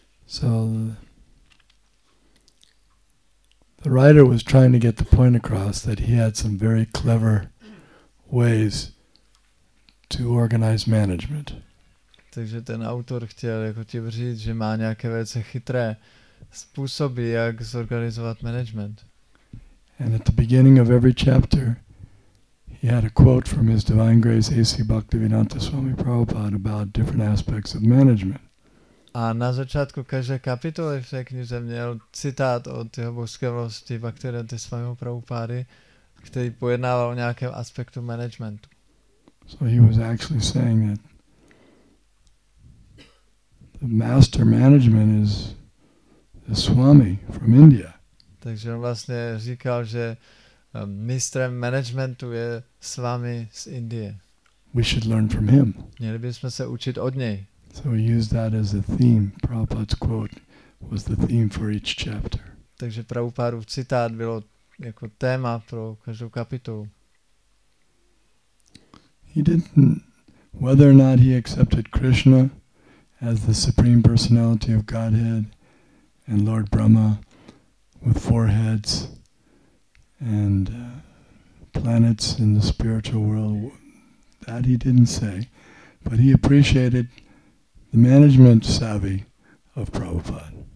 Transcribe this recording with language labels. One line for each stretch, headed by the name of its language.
English: So the writer was trying to get the point across that he had some very clever ways to organize management.
Czech: Takže ten autor chtěl jako ti říct, že má nějaké velice chytré způsoby, jak zorganizovat management.
English: And at the beginning of every chapter, he had a quote from His Divine Grace A.C. Bhaktivedanta Swami Prabhupada about different aspects of management.
Czech: A na začátku každé kapitoly v té knize měl citát od jeho božské vlosti Bhaktivedanty Swamiho Prabhupady, který pojednával o nějakém aspektu managementu.
English: So he was actually saying that the master management is the Swami from India.
Czech: Takže on vlastně říkal, že mistrem managementu je Swami z Indie.
English: We should learn from him.
Czech: Měli bychom se učit od něj.
English: So he used that as a theme. Prabhupada's quote was the theme for each chapter.
Czech: Takže Prabhupádův citát bylo jako téma pro každou kapitolu.
English: He didn't, whether or not he accepted Krishna as the Supreme Personality of Godhead and Lord Brahma with four heads and planets in the spiritual world, that he didn't say, but he appreciated the management savvy of Prabhupada.